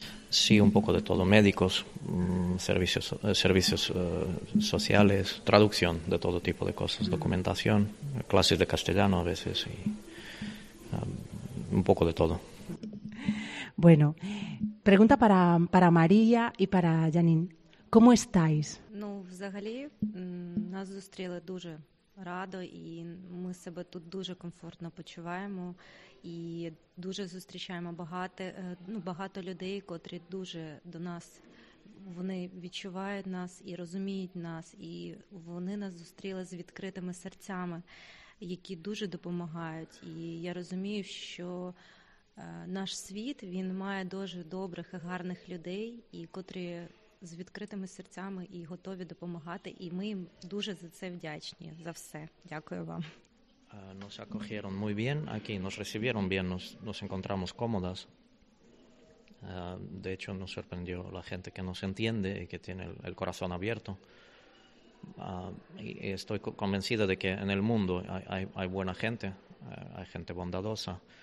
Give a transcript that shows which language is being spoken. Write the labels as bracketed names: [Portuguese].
[Spanish] Sí, un poco de todo, médicos, servicios sociales, traducción de todo tipo de cosas, documentación, clases de castellano a veces, y un poco de todo. Bueno, pregunta para María y para Janine. Cómo estáis? [Ukrainian] Ну, взагалі, нас зустріли дуже радо і ми себе тут дуже комфортно почуваємо і дуже зустрічаємо багато людей, котрі дуже до нас вони відчувають нас і розуміють нас, і вони нас зустріли з відкритими серцями, які дуже допомагають. І я розумію, що наш світ, він має дуже добрих і гарних людей, і котрі з відкритими серцями і готові допомагати, і ми їм дуже за це вдячні, за все. Дякую вам. [Spanish] Nos acogieron muy bien aquí, nos recibieron bien, nos encontramos cómodas. De hecho, nos sorprendió la gente que nos entiende y que tiene el corazón abierto. Y estoy convencida de que en el mundo hay buena gente, hay gente bondadosa.